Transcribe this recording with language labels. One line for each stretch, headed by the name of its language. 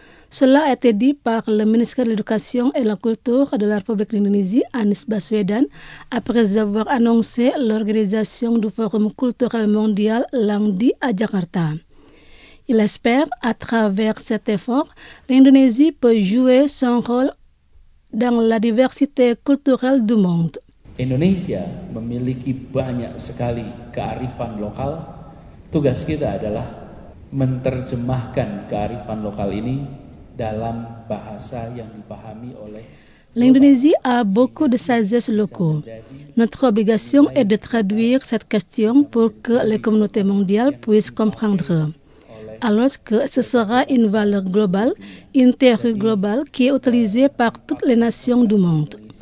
French: Cela a été dit par le ministre de l'Éducation et de la Culture de la République d'Indonésie, Anies Baswedan, après avoir annoncé l'organisation du Forum culturel mondial lundi à Jakarta. Il espère, à travers cet effort, l'Indonésie peut jouer son rôle dans la diversité culturelle du monde.
Indonesian: Indonesia memiliki banyak sekali kearifan lokal. Tugas kita adalah menerjemahkan kearifan lokal ini dalam bahasa yang dipahami oleh
French: L'Indonésie a beaucoup de sagesse locaux. Notre obligation est de traduire cette question pour que les communautés mondiales puissent comprendre. Alors que ce sera une valeur globale, une théorie globale qui est utilisée par toutes les nations du monde.